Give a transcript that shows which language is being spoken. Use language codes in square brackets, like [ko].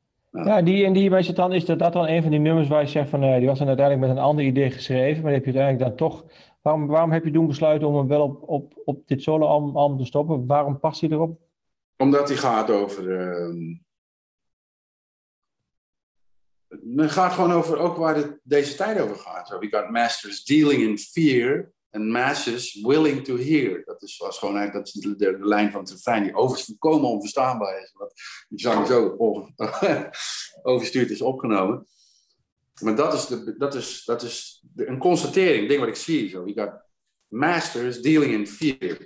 [nl] Ja, is dat dan een van die nummers waar je zegt van, die was dan uiteindelijk met een ander idee geschreven, maar heb je uiteindelijk dan toch, waarom heb je doen besluiten om hem wel op dit solo album te stoppen? Waarom past hij erop? Omdat hij gaat over. Het gaat gewoon over ook waar deze tijd over gaat. [en] We got masters dealing in fear and masses willing to hear. [nl] Dat was gewoon eigenlijk de lijn van het refrein die overigens volkomen onverstaanbaar is. Wat die zang zo overstuurd is opgenomen. Maar dat is een constatering, een ding wat ik zie. [en] So we got masters dealing in fear.